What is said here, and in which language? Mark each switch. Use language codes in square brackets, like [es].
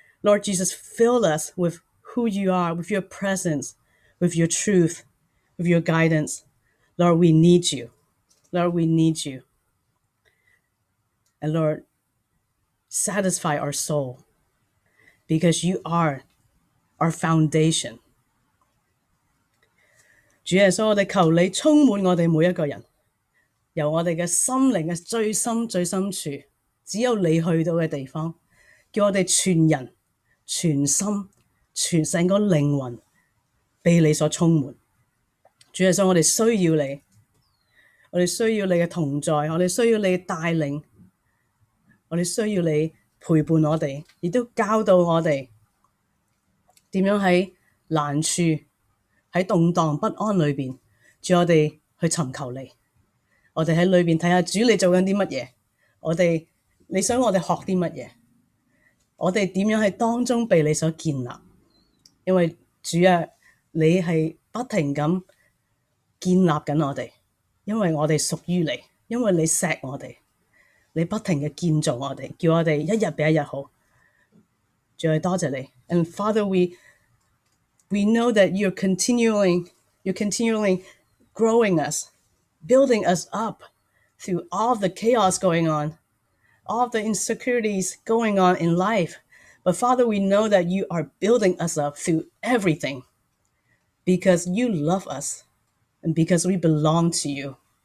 [en] Lord Jesus, fill us with who you are, with your presence, with your truth, with your guidance. Lord, we need you. Lord, we need you. And Lord, satisfy our soul because you are our foundation. [zh] 主耶稣，我们求你充满我们每一个人，由我们的心灵的最深最深处，只有你去到的地方，叫我们全人全心全整个灵魂被你所充满。主耶稣，我们需要你，我们需要你的同在，我们需要你的带领，我们需要你陪伴我们，也都教导我们怎样在难处，在动荡不安里面，主，我们去寻求你，我们在里面看看主你在做什么，我们你想我们学什么，我们怎样在当中被你所建立。因为主啊，你是不停地建立着我们，因为我们属于你，因为你锡我们，你不停地建造我们，叫我们一日比一日好。主，多谢你。 [en] And Father, we know that you're continually growing us, building us up through all the chaos going on, all the insecurities going on in life. But Father, we know that you are building us up through everything because you love us and because we belong to you.